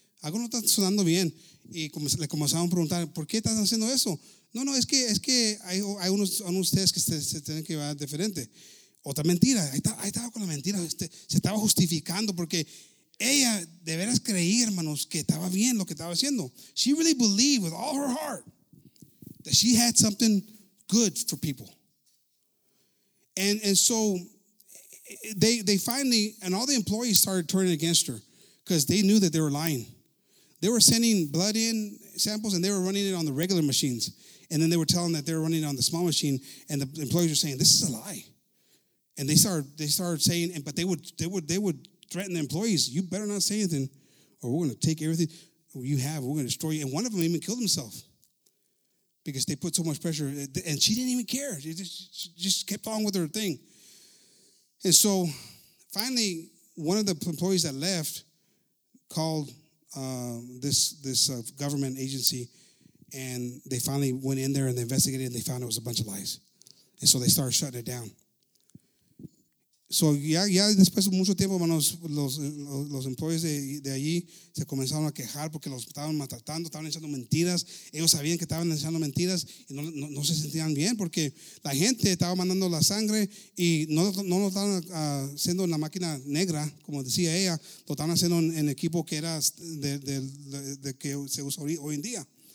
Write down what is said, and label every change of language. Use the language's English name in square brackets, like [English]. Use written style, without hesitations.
[Spanish] Algo no está sonando bien. Y le comenzaron a preguntar, ¿por qué estás haciendo eso? No, es que hay unos test que se tienen que llevar diferente. Otra mentira, ahí estaba con la mentira. Se estaba justificando porque ella de veras creía, hermanos, que estaba bien lo que estaba haciendo. [English] She really believed with all her heart that she had something good for people. And so they finally, and all the employees started turning against her because they knew that they were lying. They were sending blood in samples and they were running it on the regular machines. And then they were telling that they were running on the small machine, and the employees were saying, "This is a lie." And they started saying, "But they would threaten the employees. You better not say anything, or we're going to take everything you have. We're going to destroy you." And one of them even killed himself because they put so much pressure. And she didn't even care. She just kept on with her thing. And so, finally, one of the employees that left called this government agency. And they finally went in there and they investigated and they found it was a bunch of lies. And so they started shutting it down. [Spanish] So ya después de mucho tiempo, hermanos, los employees de allí se comenzaron a quejar porque los estaban maltratando, estaban echando mentiras. Ellos sabían que estaban echando mentiras y no se sentían bien porque la gente estaba mandando la sangre y no lo estaban haciendo en la máquina negra, como decía ella, lo estaban haciendo en equipo que era de que se usa hoy en día.